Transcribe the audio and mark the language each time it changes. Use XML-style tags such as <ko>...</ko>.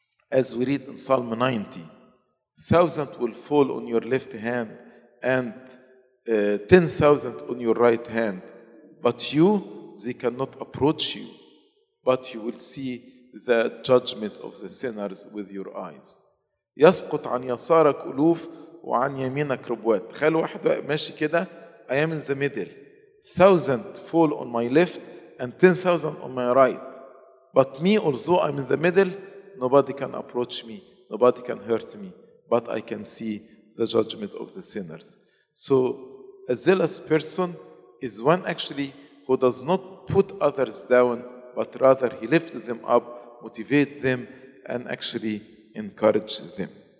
<en>As we read in Psalm 90, 1,000 will fall on your left hand and 10,000 on your right hand, but you, they cannot approach you, but you will see the judgment of the sinners with your eyes.</en> <ar>يسقط عن يسارك ألوف وعن يمينك ربوات. خل واحد ماشي كده.</ar> <en>I am in the middle. 1,000 fall on my left and 10,000 on my right. But me, although I'm in the middle, nobody can approach me. Nobody can hurt me. But I can see the judgment of the sinners. So a zealous person is one actually who does not put others down, but rather he lifts them up, motivate them, and actually encourage them.</en>